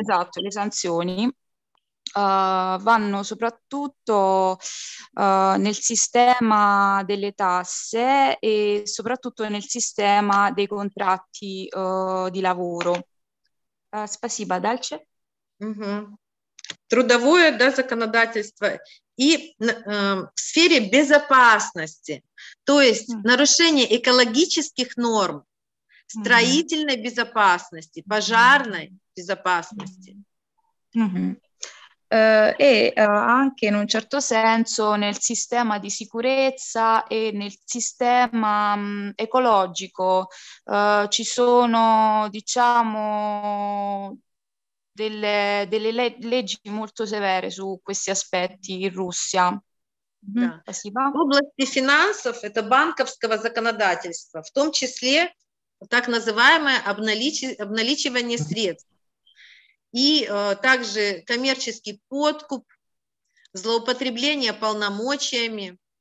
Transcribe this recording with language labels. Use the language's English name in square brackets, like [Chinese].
[Italian] Esatto, le sanzioni vanno soprattutto nel sistema delle tasse e soprattutto nel sistema dei contratti di lavoro. [Russian] Спасибо. Дальше. Угу. Трудовое, да, законодательство и в сфере безопасности, то есть нарушение экологических норм, строительной безопасности, пожарной безопасности. [Italian] E anche in un certo senso nel sistema di sicurezza e nel sistema ecologico ci sono, diciamo, delle leggi molto severe su questi aspetti in Russia. [Russian] Области финансов – это банковского законодательства, в том числе так называемое обналичивание средств. И также коммерческий подкуп, злоупотребление полномочиями.